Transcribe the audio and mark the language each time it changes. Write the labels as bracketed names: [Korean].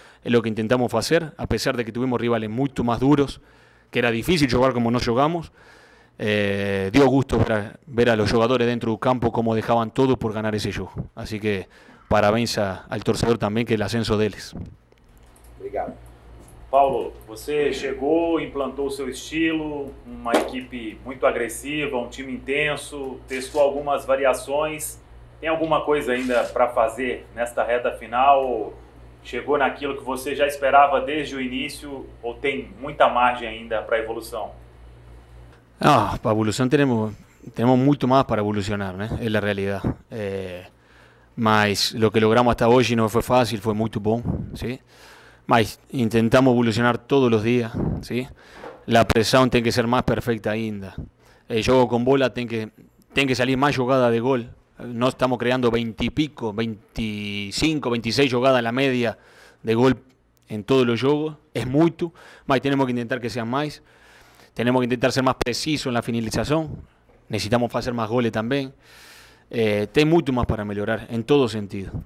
[Spanish] Es lo que intentamos hacer, a pesar de que tuvimos rivales mucho más duros, que era difícil jugar como no jugamos. Dio gusto ver a los jugadores dentro del campo cómo dejaban todo por ganar ese juego. Así que parabéns al torcedor también, que el ascenso de ellos. [Portuguese] Obrigado. Paulo, você chegou, implantou seu estilo, uma equipe muito agressiva, [Spanish] un time intenso, [Portuguese] testou algumas variações. Tem alguma coisa ainda para fazer nesta reta final? Chegou naquilo que você já esperava desde o início ou tem muita margem ainda para evolução? Ah, para evolução temos muito mais para evolucionar, né? É a realidade. Mas o que logramos até hoje não foi fácil, foi muito bom, sim? Mas tentamos evolucionar todos os dias, sim? A pressão tem que ser mais perfeita ainda. O jogo com bola tem que sair mais jogada de gol. [Spanish] No estamos creando 20 y pico, 25, 26 jugadas a la media de gol en todos los juegos. Es mucho, más tenemos que intentar que sean más. Tenemos que intentar ser más precisos en la finalización. Necesitamos hacer más goles también. Tengo mucho más para mejorar en todo sentido.